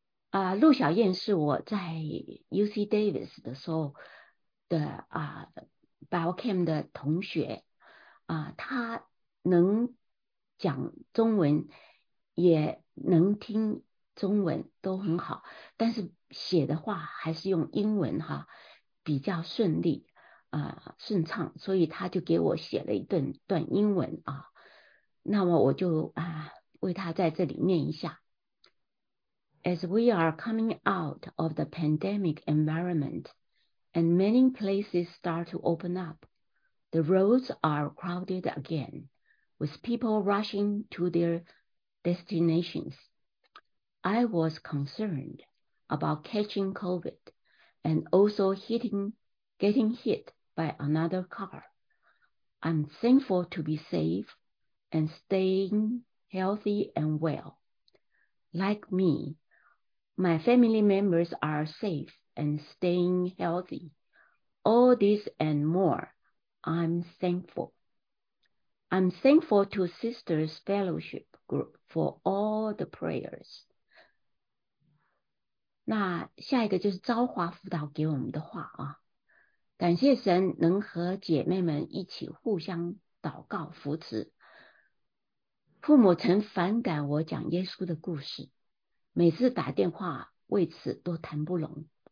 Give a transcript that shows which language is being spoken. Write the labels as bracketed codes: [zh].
[zh] 啊，陆小燕是我在 UC Davis 的时候的啊 Biochem 的同学啊，她能讲中文，也能听中文，都很好，但是写的话还是用英文哈，比较顺利。顺畅，所以他就给我写了一段英文啊，那么我就啊为他在这里念一下。 [en] As we are coming out of the pandemic environment and many places start to open up, the roads are crowded again with people rushing to their destinations. I was concerned about catching COVID and also getting hit. By another car. I'm thankful to be safe and staying healthy and well. Like me, my family members are safe and staying healthy. All this and more, I'm thankful. I'm thankful to Sisters Fellowship Group for all the prayers. [zh] 那下一个就是昭华辅导给我们的话啊，感谢神能和姐妹们一起互相祷告扶持。父母曾反感我讲耶稣的故事，每次打电话为此都谈不拢。